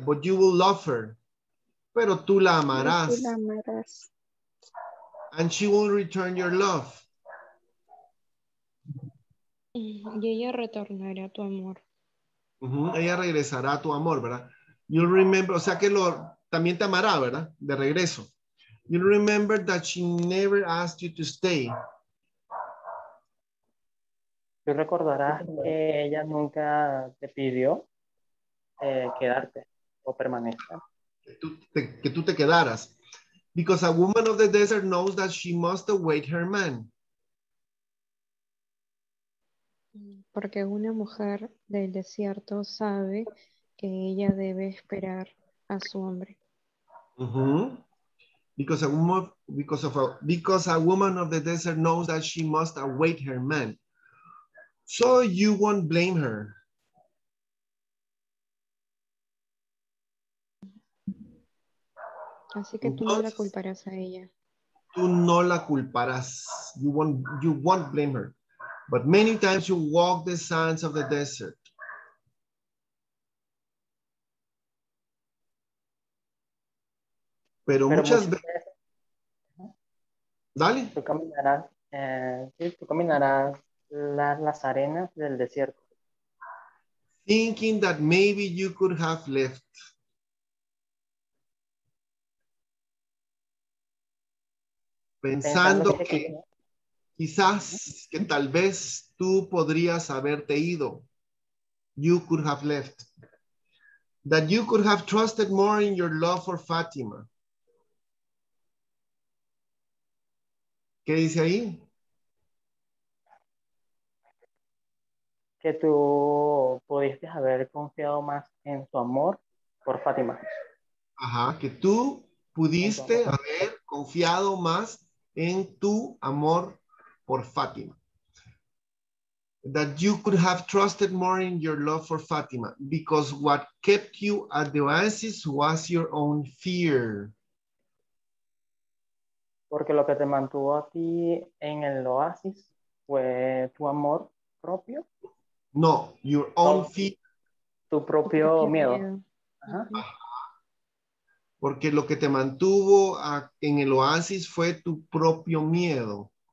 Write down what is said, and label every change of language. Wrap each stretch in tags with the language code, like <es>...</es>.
<en>But you will love her.</en> <es>Pero tú la amarás. Tú la amarás.</es> <en>And she will return your love.</en> <es>Y ella retornará tu amor. Ella regresará a tu amor, ¿verdad?</es> <en>You'll remember,</en> <es>o sea que también te amará, ¿verdad? De regreso.</es> <en>You'll remember that she never asked you to stay.</en> <es>Tú recordarás que ella nunca te pidió quedarte o permanecer. Que tú te quedaras.</es> <en>Because a woman of the desert knows that she must await her man.</en> <es>Porque una mujer del desierto sabe que ella debe esperar a su hombre.</es> <en>Because a woman of the desert knows that she must await her man. So you won't blame her.</en> <es>Así que tú no la culparás a ella. Tú no la culparás.</es> <en>You won't blame her. But many times you walk the sands of the desert.</en> <es>Pero muchas veces. Dale. Tú caminarás las arenas del desierto.</es> <en>Thinking that maybe you could have left.</en> <es>Pensando que quizás, que tal vez tú podrías haberte ido.</es> <en>You could have left. That you could have trusted more in your love for Fatima.</en> <es>¿Qué dice ahí? Que tú pudiste haber confiado más en tu amor por Fátima. Que tú pudiste haber confiado más en tu amor por Fátima.</es> <en>That you could have trusted more in your love for Fátima, because what kept you at the oasis was your own fear.</en> <es>Porque lo que te mantuvo a ti en el oasis fue tu amor propio.</es> <en>No, your own fear.</en> <es>Tu propio miedo. Porque lo que te mantuvo en el oasis fue tu propio miedo.</es>